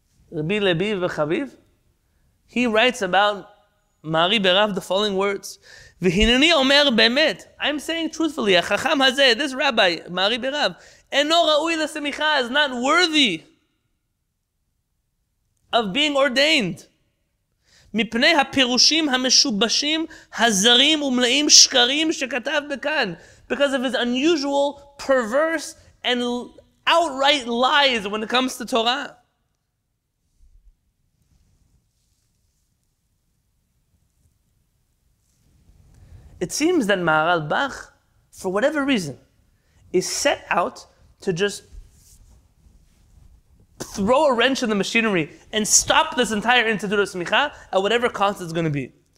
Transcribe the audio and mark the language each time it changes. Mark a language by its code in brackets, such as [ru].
[en] Rabbi Levi ibn Habib, he writes about Mari Berav the following words. [he] והנני אומר באמת, [en] I'm saying truthfully, [he] החכם הזה, [en] this rabbi, מארי ברב, [he] אינו ראוי לסמיכה, [en] is not worthy of being ordained. [he] מפני הפירושים המשובשים, הזרים ומלאים שקרים שכתב בכאן. [en] because of his unusual, perverse, and outright lies when it comes to Torah. It seems that Maharal Bach, for whatever reason, is set out to just throw a wrench in the machinery and stop this entire Institute of Smicha at whatever cost it's going to be.